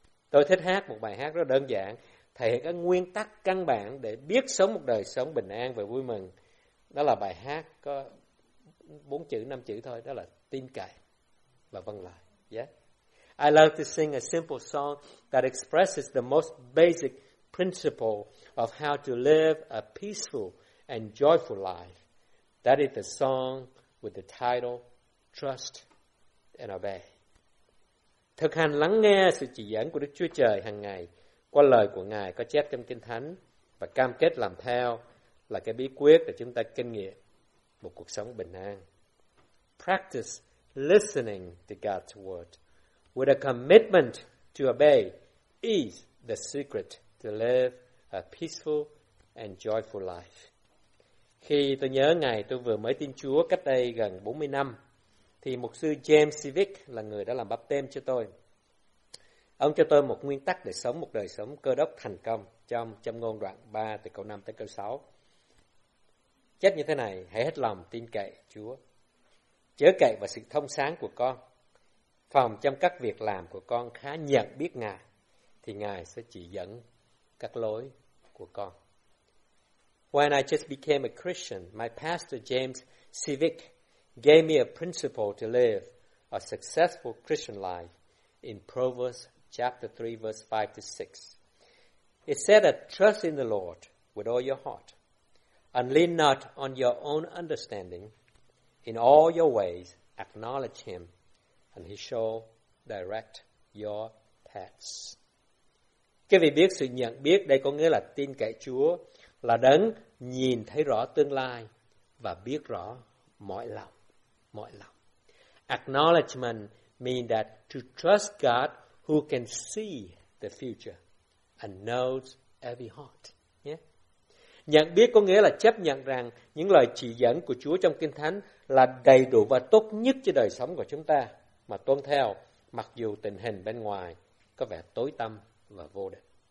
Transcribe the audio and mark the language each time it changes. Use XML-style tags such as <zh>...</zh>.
<vi>Tôi thích hát một bài hát rất đơn giản, thể hiện các nguyên tắc căn bản để biết sống một đời sống bình an và vui mừng. Đó là bài hát có 4 chữ, 5 chữ thôi. Đó là tin cậy và vâng lời. Yeah.</vi> <en>I love to sing a simple song that expresses the most basic principle of how to live a peaceful and joyful life. That is the song with the title, Trust and Obey.</en> <vi>Thực hành lắng nghe sự chỉ dẫn của Đức Chúa Trời hàng ngày qua lời của Ngài có chép trong Kinh Thánh và cam kết làm theo là cái bí quyết để chúng ta kinh nghiệm một cuộc sống bình an.</vi> <en>Practice listening to God's word with a commitment to obey is the secret to live a peaceful and joyful life.</en> <vi>Khi tôi nhớ ngày tôi vừa mới tin Chúa cách đây gần 40 năm, thì mục sư James Civic là người đã làm báp têm cho tôi. Ông cho tôi một nguyên tắc để sống một đời sống cơ đốc thành công trong Châm ngôn đoạn 3 từ câu 5 tới câu 6. Chết như thế này, hãy hết lòng tin cậy Chúa. Chớ cậy vào sự thông sáng của con. Phòng trong các việc làm của con khá nhận biết Ngài, thì Ngài sẽ chỉ dẫn các lối của con.</vi> <en>When I just became a Christian, my pastor James Civic gave me a principle to live a successful Christian life in Proverbs chapter 3, verse 5 to 6. It said that trust in the Lord with all your heart, and lean not on your own understanding. In all your ways, acknowledge Him, and He shall direct your paths.</en> <vi>Cái vị biết sự nhận biết đây có nghĩa là tin cậy Chúa, là đấng nhìn thấy rõ tương lai và biết rõ mọi lòng, mọi lòng.</vi> <en>Acknowledgement means that to trust God who can see the future and knows every heart. Yeah?</en> <vi>Nhận biết có nghĩa là chấp nhận rằng những lời chỉ dẫn của Chúa trong Kinh Thánh là đầy đủ và tốt nhất cho đời sống của chúng ta mà tuân theo mặc dù tình hình bên ngoài có vẻ tối tăm và vô định.</vi>